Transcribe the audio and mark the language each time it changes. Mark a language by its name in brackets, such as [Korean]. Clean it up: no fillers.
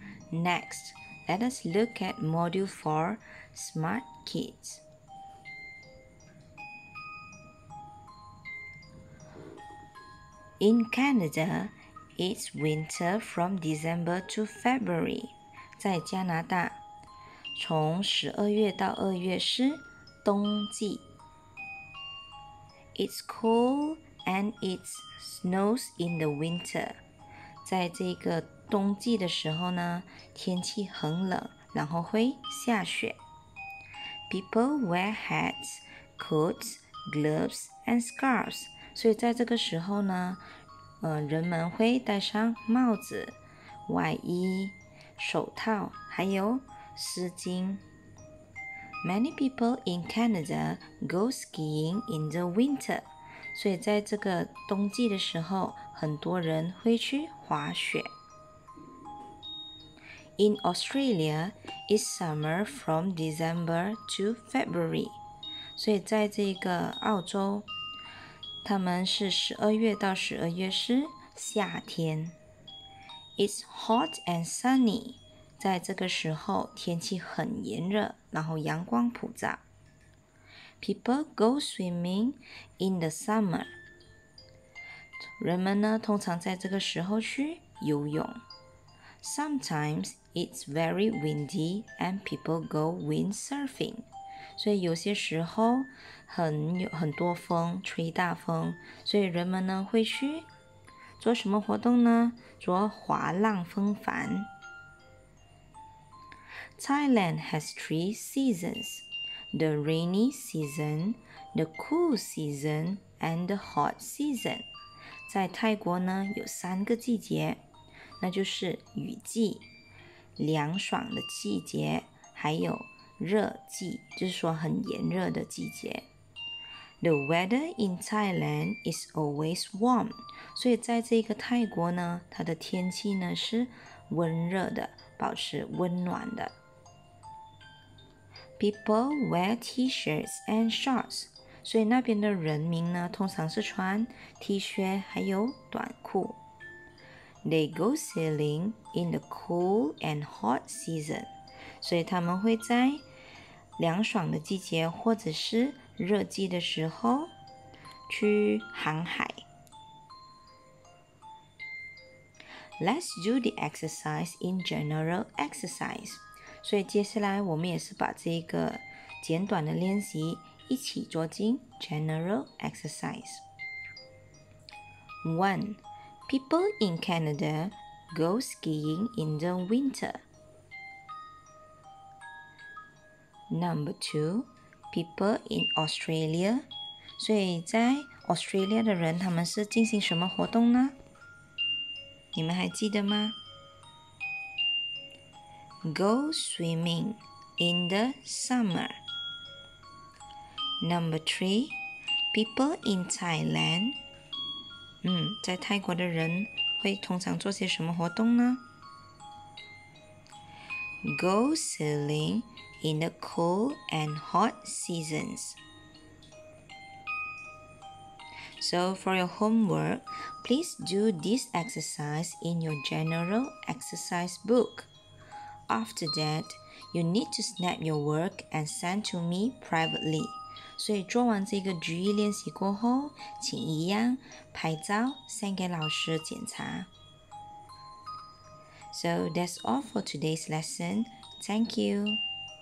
[English] Next, let us look at Module 4 Smart KidsIn Canada, it's winter from December to February. [Chinese] 在加拿大，从十二月到二月是冬季。 [English] It's cold and it snows in the winter. [Chinese] 在这个冬季的时候呢，天气很冷，然后会下雪。 [English] People wear hats, coats, gloves, and scarves. [Chinese] 所以在这个时候呢，人们会戴上帽子、外衣、手套，还有丝巾。 [English] Many people in Canada go skiing in the winter. [Chinese] 所以在这个冬季的时候，很多人会去滑雪。 [English] In Australia, it's summer from December to February. [Chinese] 所以在这个澳洲，他们是12月到12月是夏天。 [English] It's hot and sunny. [Chinese] 在这个时候天气很炎热，然后阳光普照。 [English] People go swimming in the summer. [Chinese] 人们呢，通常在这个时候去游泳。 [English] Sometimes it's very windy and people go windsurfing. [Chinese] 所以有些时候很多风，吹大风，所以人们呢会去做什么活动呢？做滑浪风帆。 [English] Thailand has three seasons. The rainy season, the cool season, and the hot season. [Chinese] 在泰国呢有三个季节。那就是雨季、凉爽的季节，还有热季，就是说很炎热的季节。 [English] The weather in Thailand is always warm. [Chinese] 所以在这个泰国呢，它的天气呢是温热的，保持温暖的。 [English] People wear T-shirts and shorts. [Chinese] 所以那边的人民呢，通常是穿 T 恤还有短裤。 [English] They go sailing in the cool and hot season. [Chinese] 所以他们会在凉爽的季节或者是热季的时候去航海。 [English] Let's do the exercise in general exercise. [Chinese] 所以接下来我们也是把这个简短的练习一起做进 [English] general exercise. 1. People in Canada go skiing in the winter. Number 2. People in Australia. [Chinese] 所以在 Australia 的人他们是进行什么活动呢？你们还记得吗？ [English] Go swimming in the summer. Number 3. People in Thailand. [Chinese] 在泰国的人会通常做些什么活动呢？ [English] Go sailing in the cool and hot seasons. So for your homework, please do this exercise in your general exercise book. After that, you need to snap your work and send to me privately. [Chinese] 所以做完这个句意练习过后，请一样拍照send给老师检查。 [English] So that's all for today's lesson. Thank you.